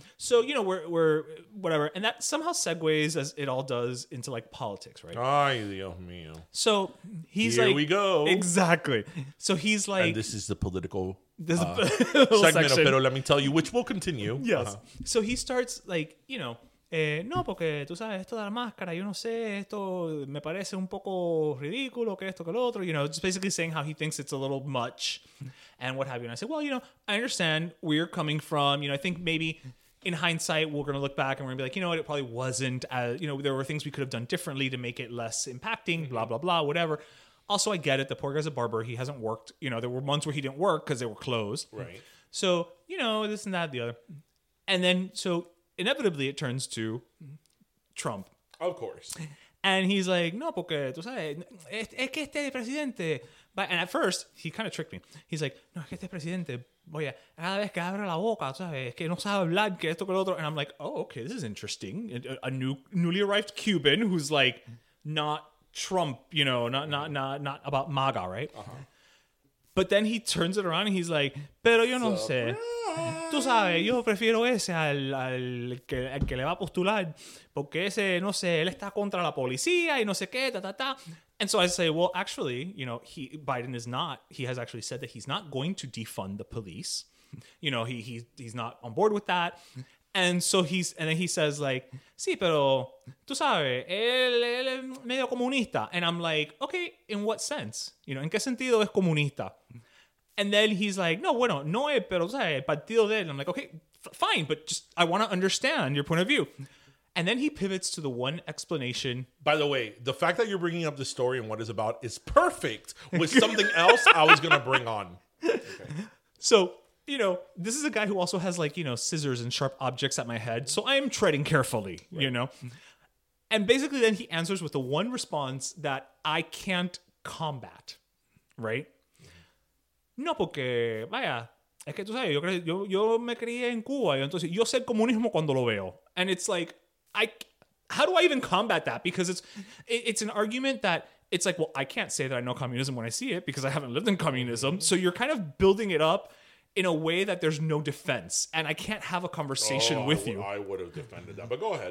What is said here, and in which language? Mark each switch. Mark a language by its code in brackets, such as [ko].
[en] So, you know, we're whatever. And that somehow segues, as it all does, into like politics, right? [es] Ay, Dios mío. [en] So he's here like... Here we go. Exactly. So he's like... And this is the political segment section. Of Pero Let Me Tell You, which will continue. Yes. Uh-huh. So he starts like, you know... [es] no, porque tú sabes, esto de la máscara, yo no sé, esto me parece un poco ridículo, que esto, que lo otro. [en] You know, just basically saying how he thinks it's a little much and what have you. And I said, well, you know, I understand where you're coming from. You know, I think maybe in hindsight, we're going to look back and we're going to be like, you know what, it probably wasn't, you know, there were things we could have done differently to make it less impacting, blah, blah, blah, whatever. Also, I get it. The poor guy's a barber. He hasn't worked. You know, there were months where he didn't work because they were closed. Right. So, you know, this and that, the other. And then, so... Inevitably, it turns to Trump. Of course. And he's like, [es] no, porque tú sabes, es que este presidente [en] But and at first he kind of tricked me. He's like, [es] "No, es que este presidente, oye, cada vez que abre la boca, sabes, que no sabe hablar, que esto que lo otro." [en] And I'm like, "Oh, okay, this is interesting." A newly arrived Cuban who's like not Trump, you know, not about MAGA, right? But then he turns it around and he's like, [es] "Pero yo no sé. Tú sabes, yo prefiero ese al que le va a postular, porque ese no sé, él está contra la policía y no sé qué, ta ta ta." [en] And so I say, well, actually, you know, Biden has actually said that he's not going to defund the police. You know, he's not on board with that. And so he says like, [es] "Sí, pero tú sabes, él es medio comunista." [en] And I'm like, "Okay, in what sense? You know, [es] ¿en qué sentido es comunista?" [en] And then he's like, [es] "No, bueno, no es, pero sabes, partido de él." [en] And I'm like, "Okay, fine, but just I want to understand your point of view." And then he pivots to the one explanation. By the way, the fact that you're bringing up the story and what it's about is perfect with something else I was going to bring on. Okay. So, you know, this is a guy who also has, like, you know, scissors and sharp objects at my head. So I am treading carefully, right. You know. And basically then he answers with the one response that I can't combat, right? [es] "No, porque, vaya, es que tú sabes, yo me crié en Cuba, y entonces yo sé el comunismo cuando lo veo." [en] And it's like, how do I even combat that? Because it's an argument that it's like, well, I can't say that I know communism when I see it because I haven't lived in communism. So you're kind of building it up in a way that there's no defense and I can't have a conversation with you. I would have defended that, but go ahead.